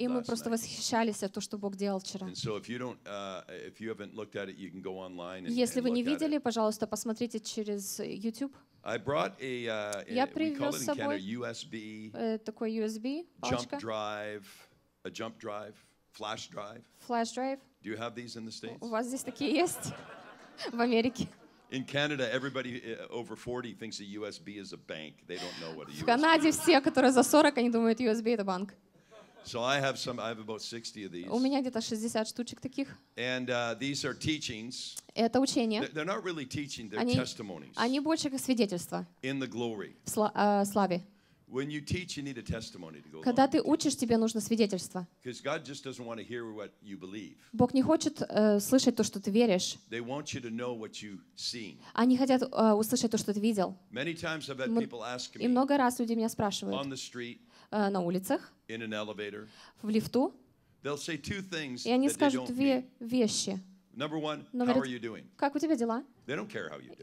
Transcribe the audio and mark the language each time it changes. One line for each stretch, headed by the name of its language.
Russian: night. И мы просто восхищались от того, что Бог делал вчера.
English: And so if you don't, if you haven't looked at it, you can go online.
Russian: Если вы не видели, пожалуйста, посмотрите через YouTube.
English: I brought a
Russian: я привез с собой
English: USB.
Russian: Такой USB.
English: Jump drive, a jump drive, flash drive. Flash drive. Do you have these in the States?
Russian: У вас здесь такие есть в Америке?
English: In Canada, everybody over 40 thinks a USB is a bank. They don't know what a USB is.
Russian: В Канаде все, которые за 40, они думают, USB это банк.
English: So I have some. I have about 60 of these.
Russian: У меня где-то 60 штучек таких.
English: And these are teachings.
Russian: Это учения.
English: They're not really teaching. They're testimonies.
Russian: Они больше как свидетельства.
English: In the glory.
Russian: В славе.
English: When you teach, you need a testimony to go along.
Russian: Когда ты учишь, тебе нужно свидетельство.
English: Because God just doesn't want to hear what you believe.
Russian: Бог не хочет слышать то, что ты веришь.
English: They want you to know what you see.
Russian: Они хотят услышать то, что ты видел.
English: Many times I've had people ask me.
Russian: И много раз люди меня спрашивают.
English: On the street.
Russian: На улицах.
English: In an elevator.
Russian: В лифту.
English: They'll say two things.
Russian: И они скажут две вещи.
English: Number one. How are you doing?
Russian: Как у тебя дела?
English: They don't care how you do.